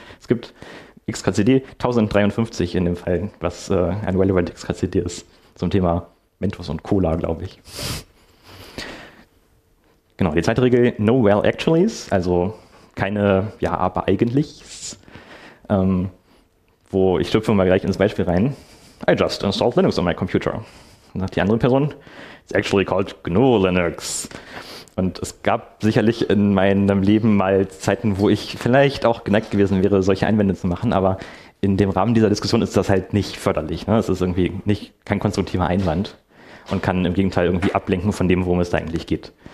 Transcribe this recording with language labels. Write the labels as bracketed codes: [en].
[de] Es gibt XKCD 1053 in dem Fall, was ein Relevant XKCD ist, zum Thema Mentos und Cola, glaube ich. Genau, die zweite Regel, [en] no well actuallys, [de] also keine ja, aber eigentlichs. Wo ich schlüpfe mal gleich ins Beispiel rein. [en] I just installed Linux on my computer. [de] Und sagt die andere Person, [en] it's actually called GNU Linux. [de] Und es gab sicherlich in meinem Leben mal Zeiten, wo ich vielleicht auch geneigt gewesen wäre, solche Einwände zu machen, aber in dem Rahmen dieser Diskussion ist das halt nicht förderlich. Ne? Es ist irgendwie kein konstruktiver Einwand und kann im Gegenteil irgendwie ablenken von dem, worum es da eigentlich geht.